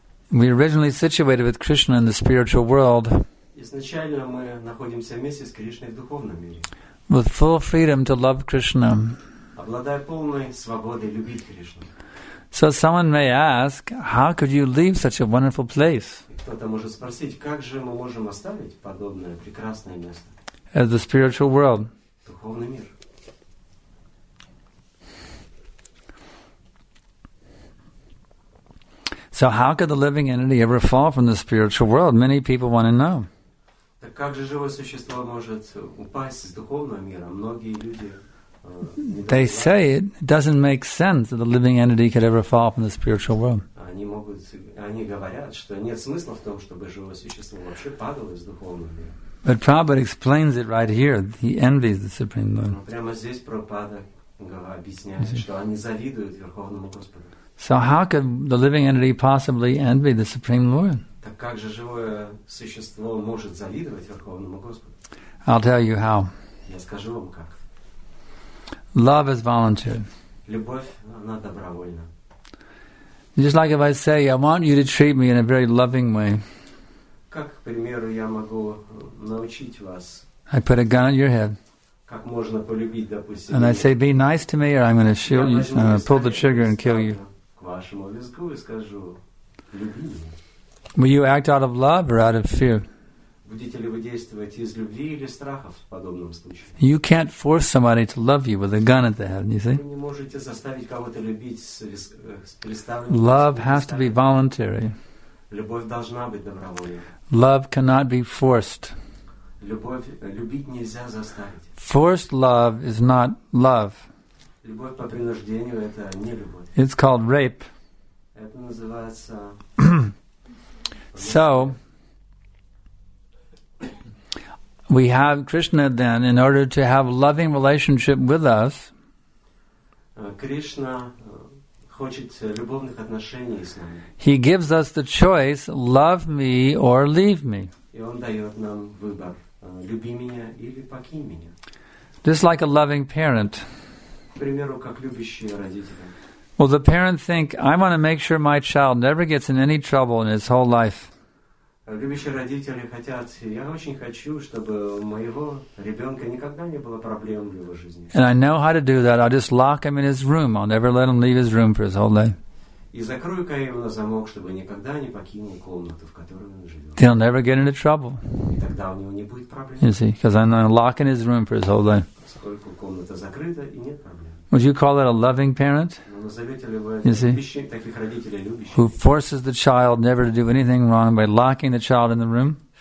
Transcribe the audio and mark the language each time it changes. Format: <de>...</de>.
<en>We were originally situated with Krishna in the spiritual world.</en> <ru>Изначально мы находимся вместе с Кришной в духовном мире.</ru> <en>With full freedom to love Krishna.</en> <ru>Обладая полной свободой любить Кришну.</ru> <en>So someone may ask, how could you leave such a wonderful place?</en> <ru>Кто-то может спросить, как же мы можем оставить подобное прекрасное место?</ru> <en>As the spiritual world.</en> <ru>Духовный мир.</ru> <en>So how could the living entity ever fall from the spiritual world? Many people want to know.</en> <ru>Так как же живое существо может упасть из духовного мира? Многие люди...</ru> <en>They say it doesn't make sense that the living entity could ever fall from the spiritual world.</en> <ru>Они говорят, что нет смысла в том, чтобы живое существо вообще падало из духовного мира.</ru> <en>But Prabhupada explains it right here. He envies the Supreme Lord.</en> <ru>Прямо здесь Прабхупада объясняет, что они завидуют Верховному Господу.</ru> <en>So how could the living entity possibly envy the Supreme Lord?</en> <ru>Так как же живое существо может завидовать Верховному Господу?</ru> <en>I'll tell you how.</en> <ru>Я скажу вам как.</ru> <en>Love is voluntary.</en> <ru>Любовь, она добровольна.</ru> <en>Just like if I say, I want you to treat me in a very loving way.</en> <ru>Как, к примеру, я могу научить вас?</ru> <en>I put a gun on your head.</en> <ru>Как можно полюбить, допустим,</ru> <en>and I say, be nice to me or I'm going to shoot you, pull the trigger and kill you.</en> <ru>К вашему визгу и скажу, люби.</ru> <en>Will you act out of love or out of fear?</en> <ru>Будете ли вы действовать из любви или страха в подобном случае?</ru> <en>You can't force somebody to love you with a gun at the head, you see?</en> <ru>Вы не можете заставить кого-то любить с приставленным.</ru> <en>Love has to be voluntary.</en> <ru>Любовь должна быть добровольной.</ru> <en>Love cannot be forced.</en> <ru>Любить нельзя заставить.</ru> <en>Forced love is not love.</en> <ru>Любовь по принуждению – это не любовь.</ru> <en>It's called rape.</en> <ru>Это называется...</ru> <en>So... We have Krishna then, in order to have a loving relationship with us,</en> <ru>Krishna хочет любовных отношений с нами.</ru> <en>He gives us the choice, love me or leave me.</en> <ru>И он дает нам выбор, люби меня или покинь меня.</ru> <en>Just like a loving parent.</en> <ru>К примеру, как любящие родители.</ru> <en>Well, the parents think, I want to make sure my child never gets in any trouble in his whole life.</en> <ru>Любящие родители хотят, я очень хочу, чтобы у моего ребенка никогда не было проблем в его жизни.</ru> <en>And I know how to do that. I'll just lock him in his room. I'll never let him leave his room for his whole life.</en> <ru>И закрою-ка его на замок, чтобы никогда не покинул комнату, в которой он живет.</ru> <en>He'll never get into trouble.</en> <ru>И тогда у него не будет проблем.</ru> <en>You see, because I'm not locking his room for his whole life.</en> <ru>Поскольку комната закрыта и нет проблем.</ru> <en>Would you call that a loving parent? You see? Who forces the child never to do anything wrong by locking the child in the room?</en>